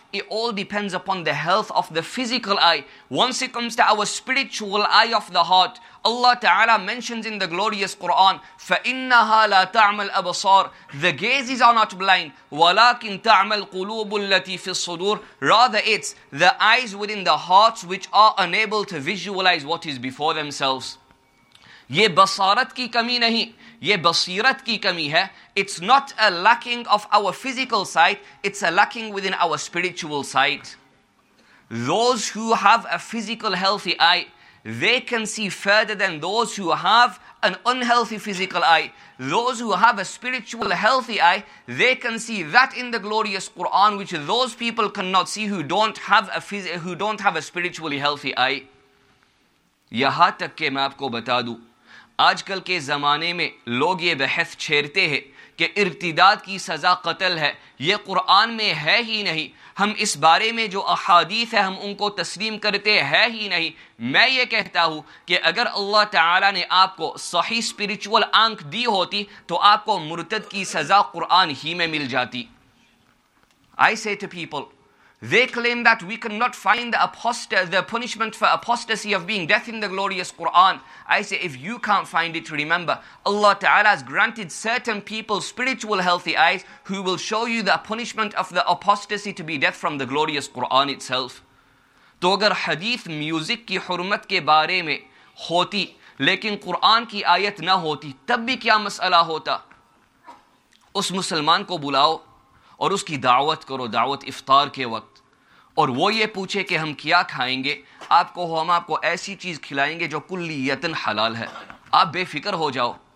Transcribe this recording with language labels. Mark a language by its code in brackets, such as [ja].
[en] It all depends upon the health of the physical eye. Once it comes to our spiritual eye of the heart, Allah Ta'ala mentions in the glorious Quran, [ar] فَإِنَّهَا لَا تَعْمَ الْأَبْصَارِ. [en] The gazes are not blind. [ar] وَلَكِنْ تَعْمَ الْقُلُوبُ الَّتِي فِي الصُّدُورِ. [en] Rather, it's the eyes within the hearts which are unable to visualize what is before themselves. [ur] یہ بصارت کی کمی نہیں, یہ بصیرت کی کمی ہے. [en] It's not a lacking of our physical sight, it's a lacking within our spiritual sight. Those who have a physical healthy eye, they can see further than those who have an unhealthy physical eye. Those who have a spiritual healthy eye, they can see that in the glorious Quran which those people cannot see who don't have a spiritually healthy eye. [ur] یہاں تک کہ میں آپ کو بتا دوں, آج کل کے زمانے میں لوگ یہ بحث چھیڑتے ہیں کہ ارتداد کی سزا قتل ہے, یہ قرآن میں ہے ہی نہیں, ہم اس بارے میں جو احادیث ہے ہم ان کو تسلیم کرتے ہیں ہی نہیں. میں یہ کہتا ہوں کہ اگر اللہ تعالی نے آپ کو صحیح اسپریچول آنکھ دی ہوتی تو آپ کو مرتد کی سزا قرآن ہی میں مل جاتی. [en] I say to people, they claim that we cannot find the punishment for apostasy of being death in the glorious Quran. I say, if you can't find it, remember, Allah Ta'ala has granted certain people spiritual healthy eyes who will show you the punishment of the apostasy to be death from the glorious Quran itself. [ur] تو اگر حدیث music کی حرمت کے بارے میں ہوتی لیکن قرآن کی آیت نہ ہوتی تب بھی کیا مسئلہ ہوتا؟ اس مسلمان کو بلاؤ اور اس کی دعوت کرو, دعوت افطار کے وقت, اور وہ یہ پوچھے کہ ہم کیا کھائیں گے, آپ کو ہم آپ کو ایسی چیز کھلائیں گے جو کلیتاً حلال ہے, آپ بے فکر ہو جاؤ.